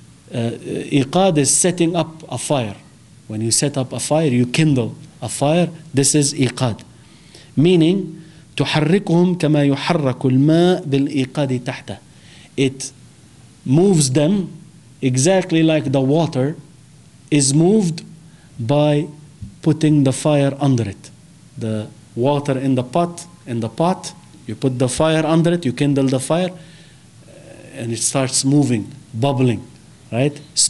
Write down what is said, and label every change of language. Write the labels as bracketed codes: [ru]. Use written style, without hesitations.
[en] Iqad is setting up a fire. When you set up a fire, you kindle a fire. This is iqad. Meaning, [ar] تحركهم كما يحرك الماء بالإيقاد تحته. [en] It moves them exactly like the water is moved by putting the fire under it. The water in the pot, you put the fire under it, you kindle the fire, and it starts moving, bubbling, right?